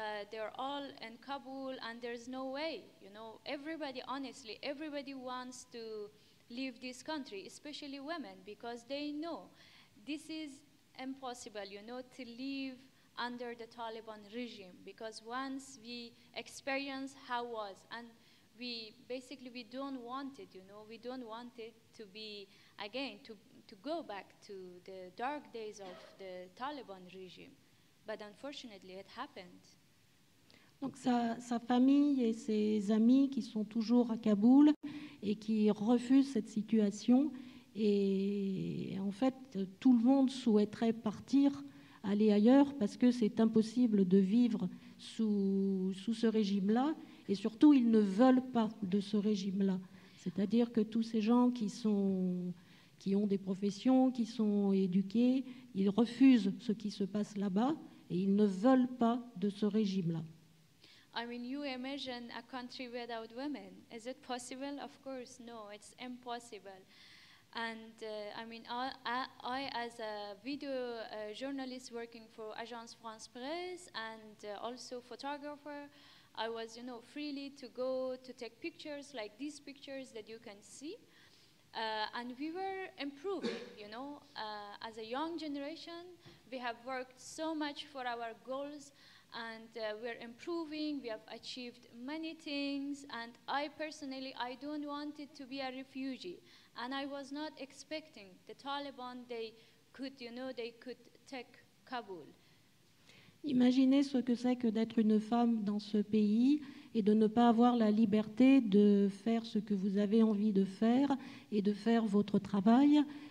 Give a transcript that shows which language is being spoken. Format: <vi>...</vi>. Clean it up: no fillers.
<en>they're all in Kabul, and there's no way, you know, everybody, honestly, everybody wants to leave this country, especially women, because they know this is impossible, you know, to leave under the Taliban regime, because once we experience how it was, and we basically we don't want it, you know, we don't want it to be again to go back to the dark days of the Taliban regime, but unfortunately it happened.</en> <fr>Donc sa famille et ses amis qui sont toujours à Kaboul et qui refusent cette situation, et en fait tout le monde souhaiterait partir, aller ailleurs, parce que c'est impossible de vivre sous ce régime-là, et surtout ils ne veulent pas de ce régime-là. C'est-à-dire que tous ces gens qui ont des professions, qui sont éduqués, ils refusent ce qui se passe là-bas et ils ne veulent pas de ce régime-là.</fr> <en>I mean, you imagine a country without women. Is it possible? Of course, no, it's impossible. And I mean, I as a video journalist working for Agence France-Presse and also photographer, I was, you know, freely to go to take pictures like these pictures that you can see. And we were improving, you know, as a young generation, we have worked so much for our goals, and we're improving, we have achieved many things, and I personally, I don't want it to be a refugee. And I was not expecting the Taliban, they could, you know, they could take Kabul.</en> <fr>Imaginez ce que c'est que d'être une femme dans ce pays et de ne pas avoir la liberté de faire ce que vous avez envie de faire et de faire votre travail.</fr>